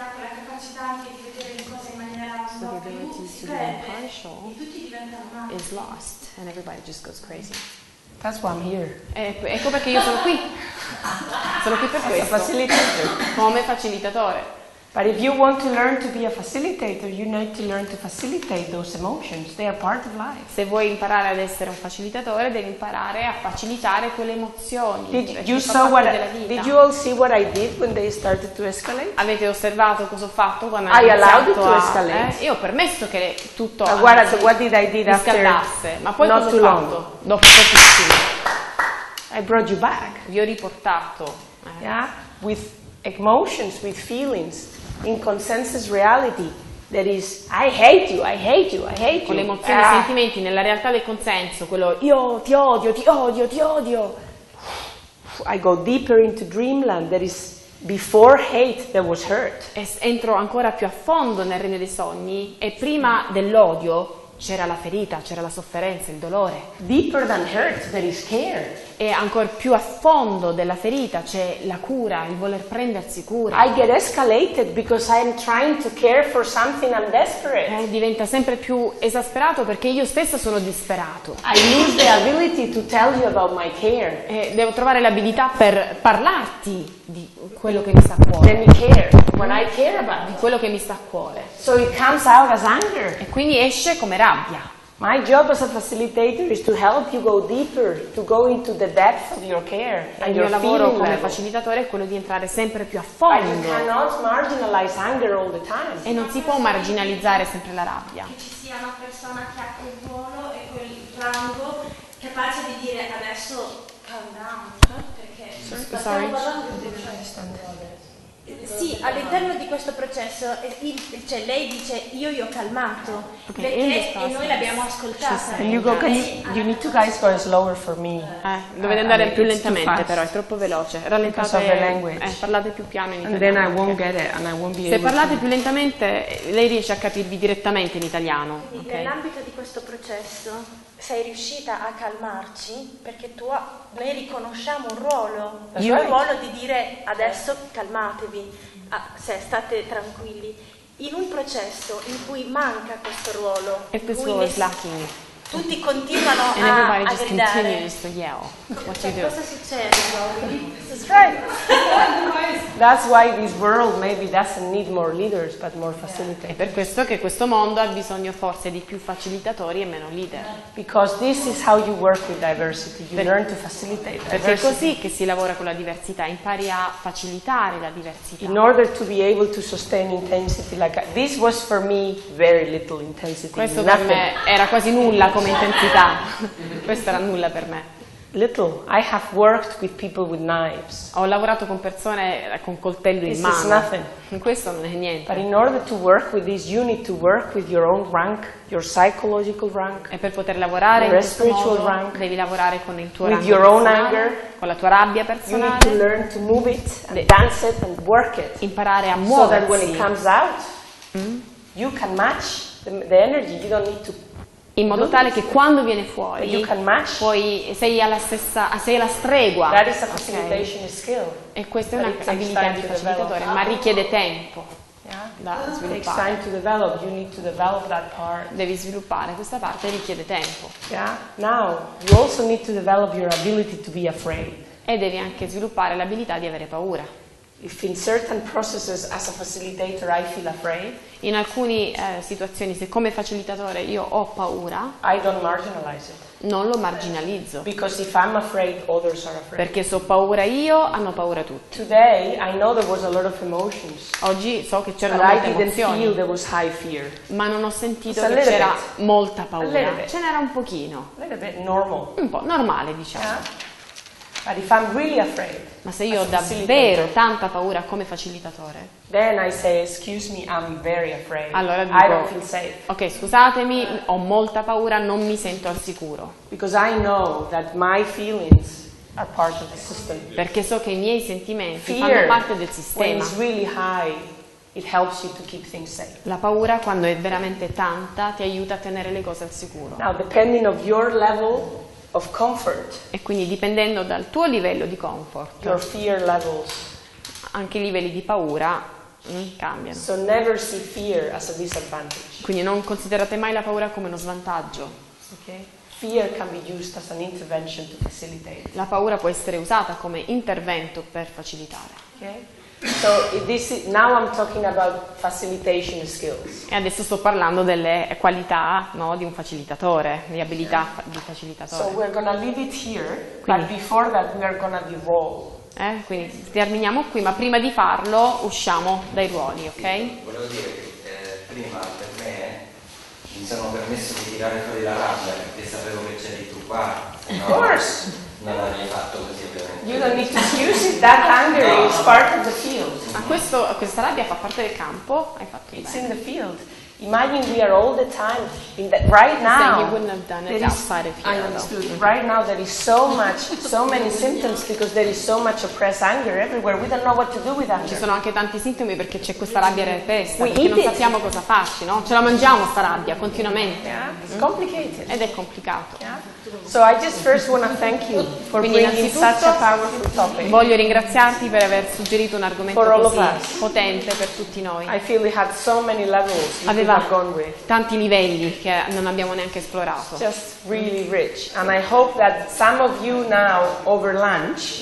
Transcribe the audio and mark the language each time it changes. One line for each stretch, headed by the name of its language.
English: the ability to be impartial is lost and everybody just goes crazy. That's why I'm here.
Italian: Ecco perché io sono qui. Sono qui per questo.
English: As a facilitator.
Italian: Come facilitatore.
English: But if you want to learn to be a facilitator, you need to learn to facilitate those emotions. They are part of life.
Italian: Se vuoi imparare ad essere un facilitatore, devi imparare a facilitare quelle emozioni.
English: Did you all see what I did when they started to escalate?
Italian: Avete osservato cosa ho fatto quando
English: I allowed it to escalate.
Italian: Io ho permesso che tutto scaldasse. Ma poi
English: not
Italian: cosa ho fatto?
English: Long.
Italian: Dopo pochissimo.
English: I brought you back.
Italian: Vi ho riportato.
English: Yeah, with emotions, with feelings, in consensus reality, that is, I hate you, I hate you, I hate you.
Italian: Con le emozioni e sentimenti nella realtà del consenso, quello io ti odio, ti odio, ti odio.
English: I go deeper into dreamland, that is, before hate there was hurt.
Italian: Entro ancora più a fondo nel regno dei sogni e prima dell'odio c'era la ferita, c'era la sofferenza, il dolore.
English: Deeper than hurt, there is care.
Italian: E ancora più a fondo della ferita c'è la cura, il voler prendersi cura.
English: I get escalated because I'm trying to care for something I'm desperate.
Italian: Diventa sempre più esasperato perché io stessa sono disperato.
English: I lose the ability to tell you about my care.
Italian: E devo trovare l'abilità per parlarti di quello che mi sta a cuore.
English: Then you care. When I care about
Italian: di quello che mi sta a cuore.
English: So it comes out as anger.
Italian: E quindi esce come rabbia.
English: My job as a facilitator is to help you go deeper, to go into the depth of your care. And
Italian: il mio lavoro come facilitatore è quello di entrare sempre più a fondo.
English: But you cannot marginalize anger all the time.
Italian: E non si può marginalizzare sempre la rabbia. Che ci sia una persona che ha quel ruolo e quel rango capace di dire adesso
English: calm down,
Italian: perché sì, all'interno di questo processo cioè lei dice io ho calmato
English: okay,
Italian: perché e noi l'abbiamo ascoltata.
English: And you go, you need to guys go slower for me.
Italian: Dovete andare più lentamente, però è troppo veloce. Rallentate, parlate più piano in italiano.
English: And then I won't get it and I won't be able.
Italian: Se parlate più lentamente, lei riesce a capirvi direttamente in italiano. Quindi, okay. Nell'ambito di questo processo sei riuscita a calmarci perché tu noi riconosciamo un ruolo, cioè
English: right.
Italian: Il ruolo di dire adesso calmatevi, se state tranquilli. In un processo in cui manca questo ruolo, tutti continuano
English: and
Italian: a gridare.
English: And everybody just continues to yell. What
Italian: cioè,
English: you do?
Italian: Cosa succede?
English: That's why this world maybe doesn't need more leaders, but more facilitators.
Italian: È per questo che questo mondo ha bisogno forse di più facilitatori e meno leader.
English: Because this is how you work with diversity. You learn to facilitate.
Italian: Perché è così che si lavora con la diversità. Impari a facilitare la diversità.
English: In order to be able to sustain intensity, like this was for me very little intensity.
Italian: Questo per me era quasi nulla come intensità. Questo era nulla per me.
English: Little. I have worked with people with knives.
Italian: Ho lavorato con persone con coltello in mano.
English: This is nothing.
Italian: Questo non è niente.
English: But in order to work with this, you need to work with your own rank, your psychological rank.
Italian: E per poter lavorare in
English: spiritual
Italian: modo,
English: rank,
Italian: devi lavorare con il tuo
English: with your own anger,
Italian: con la tua rabbia personale.
English: You need to learn to move it and dance it and work it.
Italian: Imparare a muoversi.
English: So that when it comes out, you can match the energy. You don't need to.
Italian: In modo tale che quando viene fuori poi sei alla stregua.
English: That is a facilitation okay. Skill.
Italian: E questa è un'abilità di facilitatore, ma richiede tempo.
English: Yeah. Time to develop. You need to develop that part.
Italian: Devi sviluppare questa parte, richiede tempo.
English: Yeah. Now you also need to develop your ability to be afraid.
Italian: E devi anche sviluppare l'abilità di avere paura.
English: If in certain processes as a facilitator I feel afraid,
Italian: in alcuni situazioni se come facilitatore io ho paura,
English: I don't marginalize it.
Italian: Non lo marginalizzo.
English: Because if I'm afraid, others are afraid.
Italian: Perché se ho paura io, hanno paura tutti.
English: Today I know there was a lot of emotions.
Italian: Oggi so che c'erano molte emozioni.
English: Feel there was high fear.
Italian: Ma non ho sentito che c'era molta paura. Ce n'era un pochino.
English: Normal.
Italian: Un po' normale, diciamo.
English: Yeah. But if I'm really afraid,
Italian: ma se io ho davvero tanta paura come facilitatore,
English: then I say, excuse me, I'm very afraid.
Italian: Allora dico,
English: I don't feel safe.
Italian: Ok, scusatemi, ho molta paura, non mi sento al sicuro.
English: Because I know that my feelings are part of the system.
Italian: Perché so che i miei sentimenti
English: fear,
Italian: fanno parte del sistema.
English: When it's really high, it helps you to keep things safe.
Italian: La paura quando è veramente tanta ti aiuta a tenere le cose al sicuro.
English: Now, depending on your level of comfort,
Italian: e quindi dipendendo dal tuo livello di comfort,
English: your fear levels,
Italian: anche i livelli di paura cambiano.
English: So never see fear as a disadvantage.
Italian: Quindi non considerate mai la paura come uno svantaggio.
English: Okay. Fear can be used as an intervention to facilitate.
Italian: La paura può essere usata come intervento per facilitare.
English: Okay. So this is, now I'm talking about facilitation skills.
Italian: E adesso sto parlando delle qualità, no, di un facilitatore, di abilità di facilitatore.
English: So we're gonna leave it here,
Italian: quindi,
English: but before that we are gonna roll.
Italian: Quindi terminiamo qui, ma prima di farlo usciamo dai ruoli, ok? Sì, volevo dire che prima per me mi sono permesso di tirare fuori la rabbia perché sapevo che c'eri tu qua.
English: Of course.
Italian: Non l'avrei fatto così ovviamente.
English: You don't need to excuse it, that anger is part of the field.
Italian: Ma questo, questa rabbia fa parte del campo, hai fatto bene.
English: It's in the field. Imagine we are all the time in that right now. You wouldn't have done it outside of here. I understood. Right now there is so much, so many symptoms because there is so much oppressed anger everywhere. We don't know what to do with anger.
Italian: Ci sono anche tanti sintomi perché c'è questa rabbia nella testa. Perché non sappiamo cosa farci, no? Ce la mangiamo sta rabbia continuamente.
English: Yeah. It's complicated.
Italian: Ed è complicato.
English: Yeah. So I just first want to thank you for bringing such a powerful topic.
Italian: Voglio ringraziarti per aver suggerito un argomento così potente per tutti noi.
English: I feel we had so many levels.
Italian: Aveva tanti livelli che non abbiamo neanche esplorato.
English: Just really rich. And I hope that some of you now over lunch.